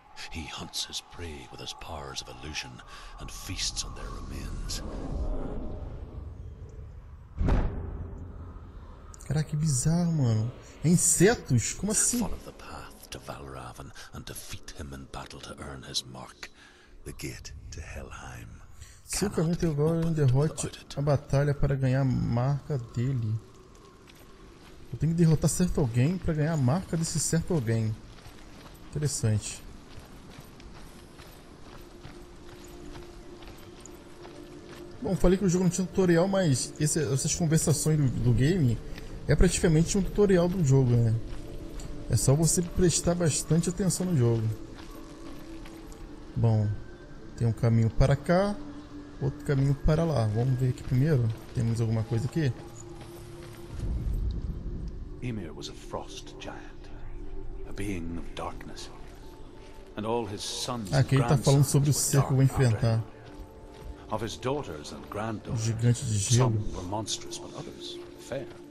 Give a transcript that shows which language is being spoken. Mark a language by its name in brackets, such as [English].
[English] He hunts his prey with his powers of illusion and feasts on their remains. [Portuguese] Caraca, que bizarro, mano. É insetos? Como assim? [English] Follow the path to Valravn and defeat him in battle to earn his mark. The gate to Helheim. [Portuguese] Seu caminho até Valravn derrote a batalha para ganhar a marca dele. Eu tenho que derrotar certo alguém para ganhar a marca desse certo alguém. Interessante. Bom, falei que o jogo não tinha tutorial, mas essas conversações do game é praticamente um tutorial do jogo, né? É só você prestar bastante atenção no jogo. Bom, tem um caminho para cá, outro caminho para lá. Vamos ver aqui primeiro. Temos alguma coisa aqui? [English] Ymir was a frost giant, a being of darkness, and all his sons and grandsons were dark after him. Of his daughters and granddaughters, some were monstrous, but others fair.